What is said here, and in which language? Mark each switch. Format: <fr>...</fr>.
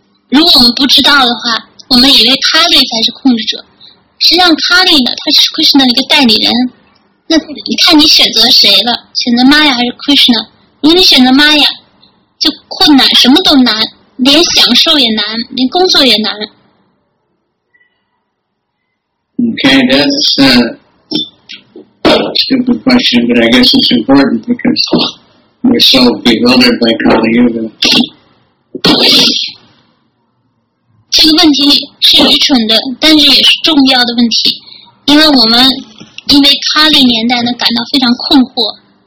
<zh>如果我们不知道的话，我们以为他力才是控制者，实际上他力呢，他是 Krishna 的一个代理人。那你看你选择谁了，选择 Maya 还是 Krishna？如果你选择 Maya， 就困难，什么都难，连享受也难，连工作也难。</zh> <en>Okay, that's a stupid question, but I guess it's important because we're so bewildered by Kali Yuga.</en> <zh>这个问题是愚蠢的，但是也是重要的问题，因为我们因为Kali年代呢感到非常困惑。</zh>